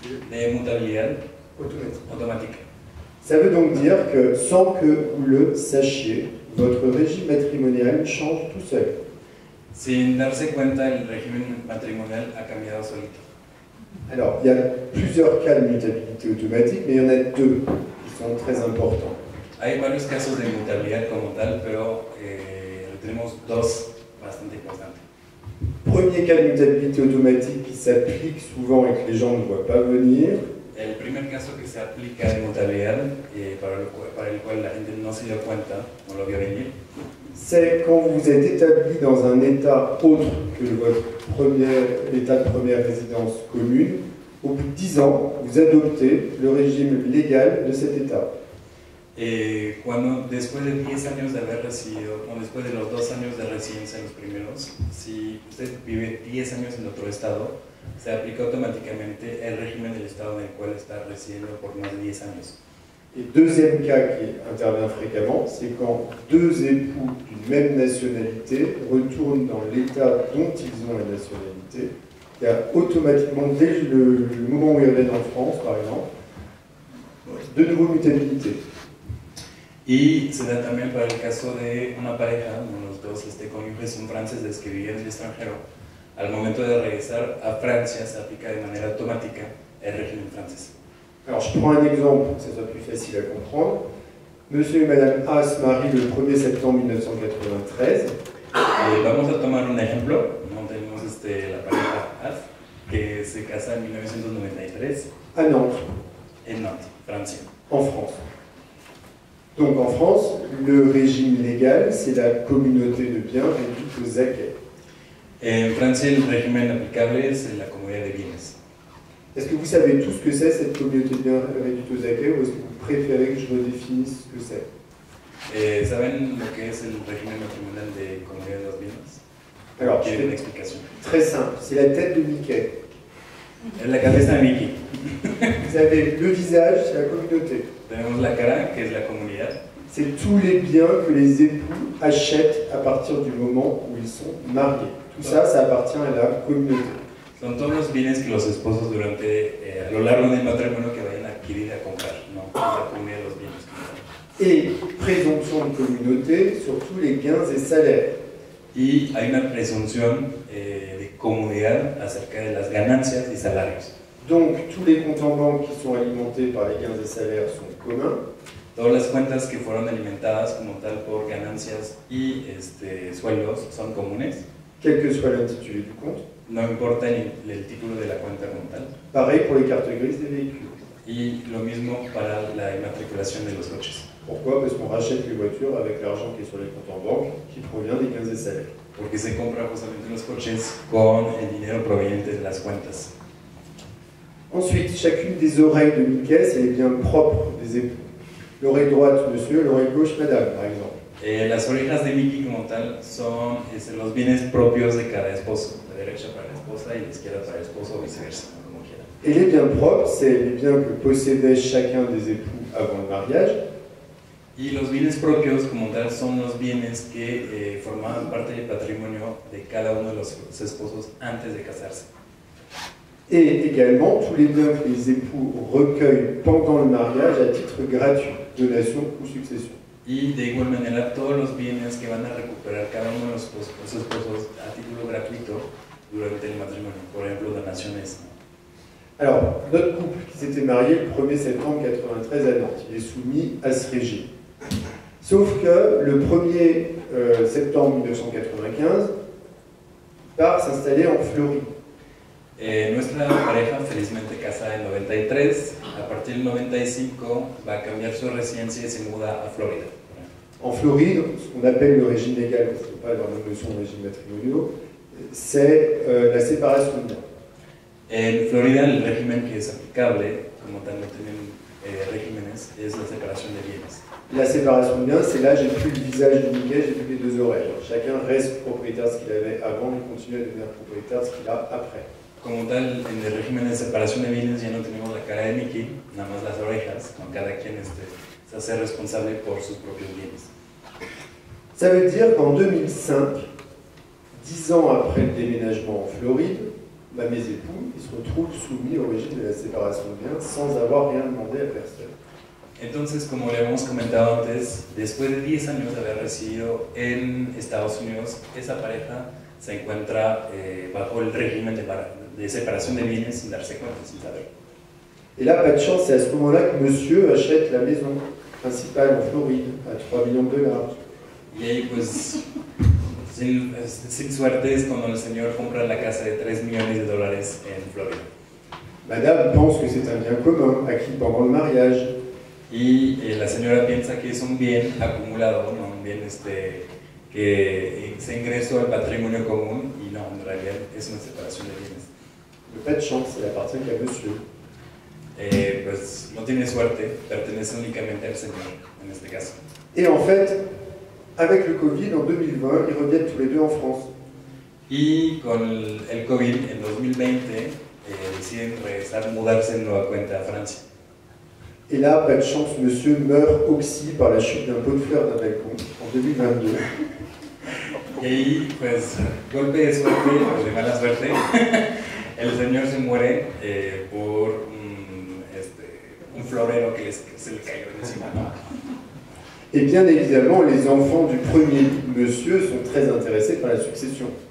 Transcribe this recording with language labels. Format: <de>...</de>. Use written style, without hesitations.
<es>De mutabilidad automática.</es> <fr>Ça veut donc dire que sans que vous le sachiez, votre régime matrimonial change tout seul.</fr> <es>Sin darse cuenta, el régimen matrimonial ha cambiado solito.</es> <fr>Alors, il y a plusieurs cas de mutabilité automatique, mais il y en a 2 qui sont très importants.</fr> <es>Hay varios casos de mutabilidad como tal, pero tenemos 2 bastante importantes.</es> <fr>Premier cas de mutabilité automatique qui s'applique souvent et que les gens ne voient pas venir.</fr> <es>El primer caso que se aplica de mutabilidad para el cual la gente no se dio cuenta, no lo vio venir.</es> <fr>C'est quand vous êtes établi dans un état autre que l'état de première résidence commune, au bout de 10 ans, vous adoptez le régime légal de cet état.</fr> <es>Et cuando después de 10 años de haber residido, o después de los 2 años de residencia en los primeros, si usted vive 10 años en otro estado, se aplica automáticamente el régimen del estado en el cual está residiendo por más de 10 años.</es> <fr>Et deuxième cas qui intervient fréquemment, c'est quand deux époux d'une même nationalité retournent dans l'état dont ils ont la nationalité, il y a automatiquement, dès le moment où ils reviennent en France, par exemple, de nouveau mutabilité.</fr> <es>Y se da también para el caso de una pareja, uno de los dos cónyuges son franceses que viven en el extranjero. Al momento de regresar a Francia, se aplica de manera automática el régimen francés.</es> <fr>Alors, je prends un exemple pour que ce soit plus facile à comprendre. Monsieur et Madame A se marient le 1er septembre 1993.</fr> <es>Vamos a tomar un ejemplo. Tenemos la pareja A, que se casa en 1993.</es> <fr>À Nantes.</fr> <es>En Nantes, Francia.</es> <fr>En France. Donc en France, le régime légal, c'est la communauté de biens réduite aux acquis. En France, le régime applicable, c'est la communauté de biens. Est-ce que vous savez tout ce que c'est cette communauté de biens réduite aux acquis, ou est-ce que vous préférez que je redéfinisse? définissent ce que c'est.</fr> <es>¿Saben lo que es el régimen matrimonial de Comunidad de los Vinos?</es> <fr>Alors, j'ai une explication. Très simple, c'est la tête de Mickey.</fr> <es>Es la cabeza de Mickey.</es> <fr>Vous avez deux visages, c'est la communauté.</fr> <es>Tenemos la cara, que es la comunidad.</es> <fr>C'est tous les biens que les époux achètent à partir du moment où ils sont mariés. Tout ça, ça appartient à la communauté.</fr> <es>Son todos los bienes que los esposos durante a lo largo del matrimonio que vayan a adquirir a comprar, no, la comunidad de los bienes.</es> <fr>Et présomption de communauté sur tous les gains et salaires.</fr> <es>Y hay una presunción de comunidad acerca de las ganancias y salarios.</es> <fr>Donc tous les comptes en banque qui sont alimentés par les gains et salaires sont communs.</fr> <es>Todas las cuentas que fueron alimentadas como tal por ganancias y sueldos son comunes.</es> <fr>Quel que soit l'intitulé du compte.</fr> <es>No importa el título de la cuenta como tal.</es> <fr>Pareil pour les cartes grises des véhicules.</fr> <es>Y lo mismo para la immatriculación de los coches.</es> <fr>Pourquoi? Parce qu'on rachète les voitures avec l'argent qui est sur les comptes en banque, qui provient des gains et salaires.</fr> <es>Porque se compra justamente los coches con el dinero proveniente de las cuentas.</es> <fr>Ensuite, chacune des oreilles de Mickey, c'est les biens propres des époux. L'oreille droite, monsieur, l'oreille gauche, madame, par exemple.</fr> <es>Las orejas de Mickey como tal son los bienes propios de cada esposo. La derecha para la esposa y la izquierda para el esposo, o viceversa, como quiera.</es> <fr>Et les biens propres, c'est les biens que possédait chacun des époux avant le mariage.</fr> <es>Y los bienes propios como tal son los bienes que formaban parte del patrimonio de cada uno de los esposos antes de casarse.</es> <fr>Et également tous les biens que les époux recueillent pendant le mariage à titre gratuit, donation ou succession.</fr> <es>Y de igual manera todos los bienes que van a recuperar cada uno de los esposos a título gratuito durante el matrimonio, por ejemplo, donaciones.</es> <fr>Alors, notre couple qui s'était marié le 1er septembre 93 à Nantes, il est soumis à ce régime. Sauf que le 1er septembre 1995, part s'installer en Floride.</fr> <es>Nuestra pareja, felizmente casada en 93, a partir del 95 va a cambiar su residencia y se muda a Florida.</es> <fr>En Floride, ce qu'on appelle le régime légal, parce qu'on ne parle pas de la notion de régime matrimonial, c'est la séparation de biens.</fr> <es>En Florida, el régimen que es aplicable, como también tienen regímenes, es la separación de bienes.</es> <fr>La séparation de biens, c'est là, j'ai plus le visage du Mickey, j'ai plus les deux oreilles. Chacun reste propriétaire ce qu'il avait avant, mais continue à devenir propriétaire ce qu'il a après.</fr> <es>Como tal, en el régimen de separación de bienes ya no tenemos la cara de Mickey, nada más las orejas, con cada quien se hace responsable por sus propios bienes.</es> <fr>Ça veut dire qu'en 2005, 10 ans après le déménagement en Floride, bah, mes époux ils se retrouvent soumis au régime de la séparation de biens sans avoir rien demandé à personne.</fr> <es>Entonces, como le habíamos comentado antes, después de 10 años de haber residido en Estados Unidos, esa pareja se encuentra bajo el régimen de séparation de bienes sin darse cuenta, sin saber.</es> <fr>Et là, pas de chance, c'est à ce moment-là que monsieur achète la maison principale en Floride à 3 millions de dollars.</fr> <es>Y ahí, pues, sin suerte, es cuando el señor compra la casa de 3 millones de dólares en Florida.</es> <fr>Madame pense que c'est un bien commun acquis pendant le mariage.</fr> <es>Y la señora piensa que es un bien acumulado, ¿no? Un bien que se ingresó al patrimonio común, y no, en realidad es una separación de bienes.</es> <fr>Pas de chance, elle appartient qu'à monsieur.</fr> <es>Pues, no tiene suerte, pertenece únicamente al señor, en este caso.</es> <fr>Et en fait, avec le Covid, en 2020, ils reviennent tous les deux en France.</fr> <es>Y con el Covid, en 2020, deciden regresar, mudarse en nueva cuenta a Francia.</es> <fr>Et là, pas de chance, monsieur meurt aussi par la chute d'un pot de fleurs d'un balcon, en 2022.</fr> <es>Et ahí, pues, golpe de suerte, de mala suerte. El señor se muere por un florero que se le cayó encima.</es> <fr>Et bien évidemment, les enfants du premier monsieur sont très intéressés par la succession.</fr>